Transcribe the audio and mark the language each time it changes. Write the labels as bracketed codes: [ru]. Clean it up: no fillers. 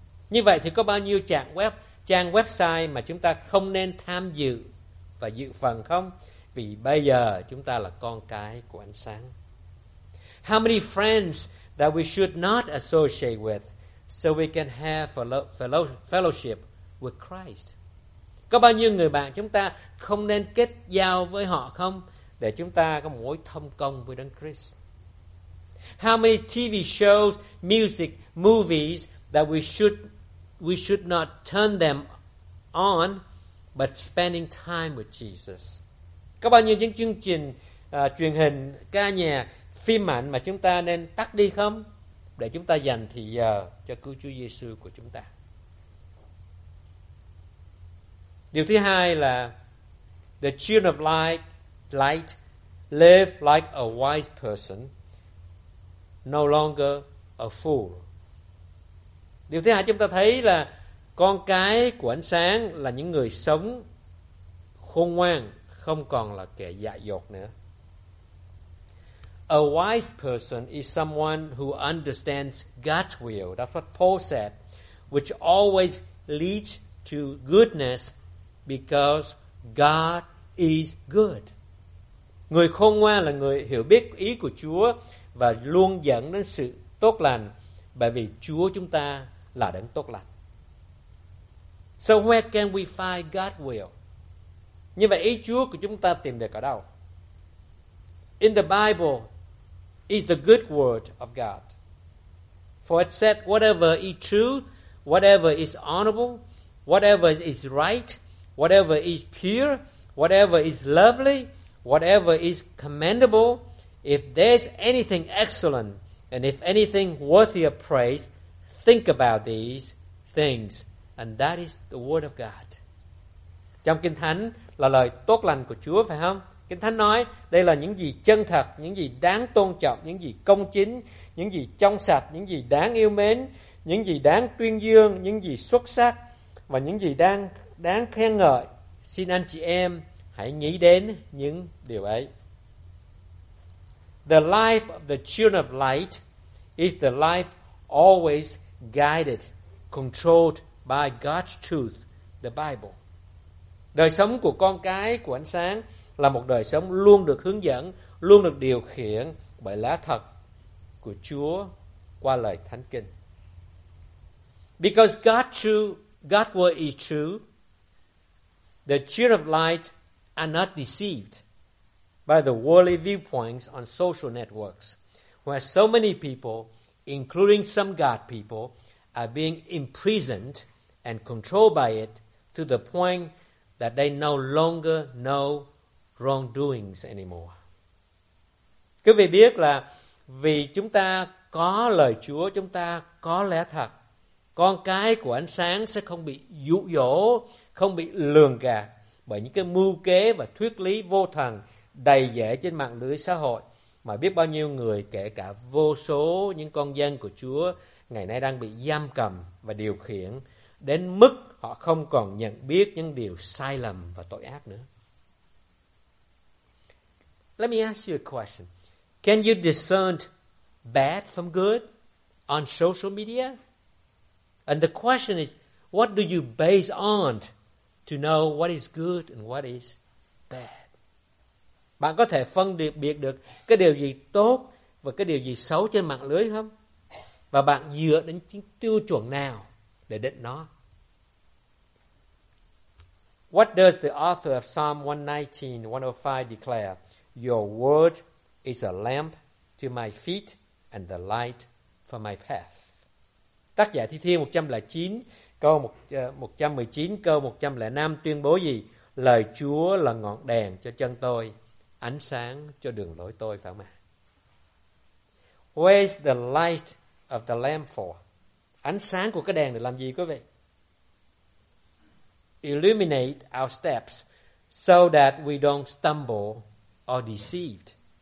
[vi] Như vậy thì có bao nhiêu trang website mà chúng ta không nên tham dự và dự phần không? Vì bây giờ chúng ta là con cái của ánh sáng. [en] How many friends that we should not associate with, so we can have fellowship with Christ? [vi] Có bao nhiêu người bạn chúng ta không nên kết giao với họ không, để chúng ta có mối thông công với Đấng Christ? [en] How many TV shows, music, movies that we should not turn them on, but spending time with Jesus? [vi] Có bao nhiêu những chương trình truyền hình, ca nhạc, phim ảnh mà chúng ta nên tắt đi không, để chúng ta dành thì giờ cho cứu Chúa Giêsu của chúng ta? Điều thứ hai là [en] the children of light live like a wise person, no longer a fool. [vi] Điều thứ hai chúng ta thấy là con cái của ánh sáng là những người sống khôn ngoan, không còn là kẻ dại dột nữa. [en] A wise person is someone who understands God's will. That's what Paul said, which always leads to goodness because God is good. [vi] Người khôn ngoan là người hiểu biết ý của Chúa và luôn dẫn đến sự tốt lành, bởi vì Chúa chúng ta là Đấng tốt lành. [en] So where can we find God's will? [vi] Như vậy ý Chúa của chúng ta tìm được ở đâu? [en] In the Bible is the good word of God. For it said, whatever is true, whatever is honorable, whatever is right, whatever is pure, whatever is lovely, whatever is commendable, if there's anything excellent, and if anything worthy of praise, think about these things, and that is the word of God. [vi] Trong Kinh Thánh là lời tốt lành của Chúa, phải không? Kinh Thánh nói, đây là những gì chân thật, những gì đáng tôn trọng, những gì công chính, những gì trong sạch, những gì đáng yêu mến, những gì đáng tuyên dương, những gì xuất sắc, và những gì đáng khen ngợi. Xin anh chị em hãy nghĩ đến những điều ấy. [en] The life of the children of light is the life always guided, controlled by God's truth, the Bible. [vi] Đời sống của con cái của ánh sáng là một đời sống luôn được hướng dẫn, luôn được điều khiển bởi lẽ thật của Chúa qua lời Thánh Kinh. [en] Because God's word is true, the children of light are not deceived by the worldly viewpoints on social networks, where so many people, including some God people, are being imprisoned and controlled by it to the point that they no longer know wrongdoings anymore. [vi] Quý vị biết là vì chúng ta có lời Chúa, chúng ta có lẽ thật, con cái của ánh sáng sẽ không bị dụ dỗ, không bị lường gạt bởi những cái mưu kế và thuyết lý vô thần đầy rẫy trên mạng lưới xã hội, mà biết bao nhiêu người, kể cả vô số những con dân của Chúa ngày nay đang bị giam cầm và điều khiển đến mức họ không còn nhận biết những điều sai lầm và tội ác nữa. [en] Let me ask you a question. Can you discern bad from good on social media? And the question is, what do you base on to know what is good and what is bad? [vi] Bạn có thể phân biệt được cái điều gì tốt và cái điều gì xấu trên mạng lưới không? và bạn dựa đến những tiêu chuẩn nào để định nó? [en] What does the author of Psalm 119:105 declare? Your word is a lamp to my feet and the light for my path. [vi] Tác giả Thi Thiên 109 câu 119 câu 105 tuyên bố gì? Lời Chúa là ngọn đèn cho chân tôi, ánh sáng cho đường lối tôi, phải không? [en] Where is the light of the lamp for? [vi] Ánh sáng của cái đèn để làm gì quý vị? [en] Illuminate our steps so that we don't stumble or deceived.